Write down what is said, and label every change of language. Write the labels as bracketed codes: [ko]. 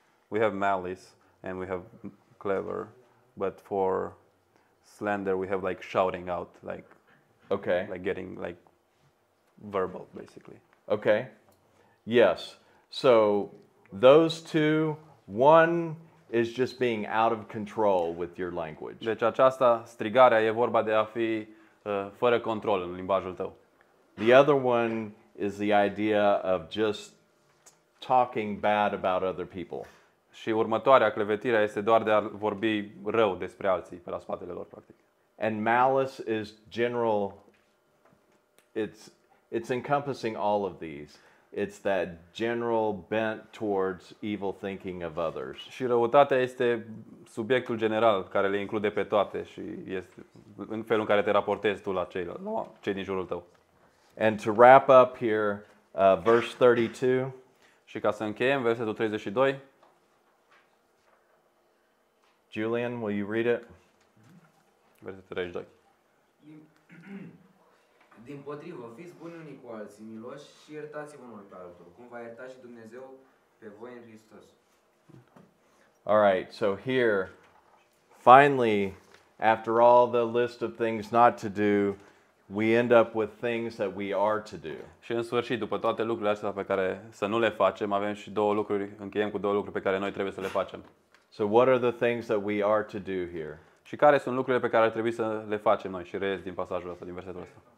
[en] We have malice and we have clever, but for slander we have like shouting out, like, okay, like getting like verbal basically. Okay. Yes. So those two, one is just being out of control with your language. [ro] Deci aceasta, strigarea, e vorba de a fi fără control în limbajul tău. [en] The other one is the idea of just talking bad about other people. [ro] Și următoarea, clevetirea, este doar de a vorbi rău despre alții pe la spatele lor, practic. [en] And malice is general, it's encompassing all of these. It's that general bent towards evil thinking of others. [ro] Și răutatea este subiectul general care le include pe toate și este în felul în care te raportezi tu la cei din jurul tău. [en] And to wrap up here, verse 32. [ro] Și ca să încheiem, versetul 32. [en] Julian, will you read it? [ro] Versetul 32. Dimpotrivă, fiți buni unii cu alții, miloși și iertați-vă unul pe altul, cum v-a iertat și Dumnezeu pe voi în Hristos. All right, so here, finally, after all the list of things not to do, we end up with things that we are to do. Și în sfârșit, după toate lucrurile astea pe care să nu le facem, avem și două lucruri, încheiem cu două lucruri pe care noi trebuie să le facem. So what are the things that we are to do here? Și care sunt lucrurile pe care ar trebui să le facem noi? Și reiez din pasajul ăsta, din versetul ăsta.